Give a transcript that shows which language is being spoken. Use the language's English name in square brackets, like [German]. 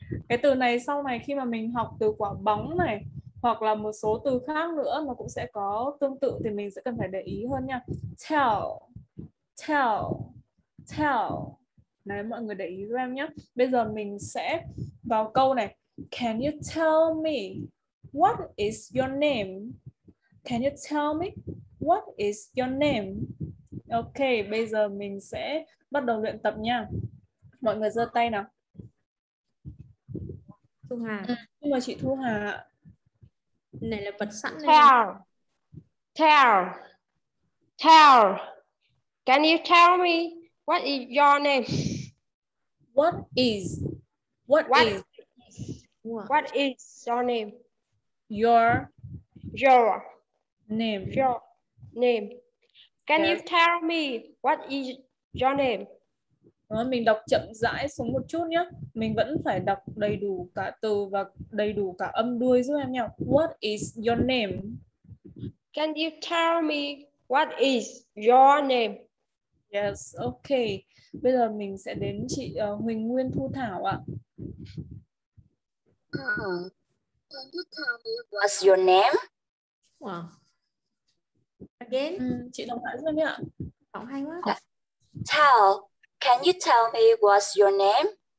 [Vietnamese] Cái từ này sau này khi mà mình học từ quả bóng này hoặc là một số từ khác nữa nó cũng sẽ có tương tự thì mình sẽ cần phải để ý hơn nha. [English] Tell. Tell. Tell. [Vietnamese] Đấy, mọi người để ý cho em nhé. Bây giờ mình sẽ vào câu này. [English] Can you tell me what is your name? Can you tell me what is your name? [Vietnamese] Ok, bây giờ mình sẽ bắt đầu luyện tập nha. Mọi người giơ tay nào. Thu Hà. Nhưng mà chị Thu Hà này là bật sẵn. [English] Tell. Tell. Tell. Can you tell me what is your name? What is? What is? What is your name? Your name. Your name. Can you tell me what is your name? [Vietnamese] Đó, mình đọc chậm rãi xuống một chút nhé. Mình vẫn phải đọc đầy đủ cả từ và đầy đủ cả âm đuôi giúp em nhé. [English] What is your name? Can you tell me what is your name? Yes, okay. [Vietnamese] Bây giờ mình sẽ đến chị Huỳnh Nguyên Thu Thảo ạ. [English] Can you tell me what's your name? Wow. Again? [Vietnamese] Chị đọc lại giúp em nhé. Giọng hay quá. [English] Tell. Can you tell me what's your name?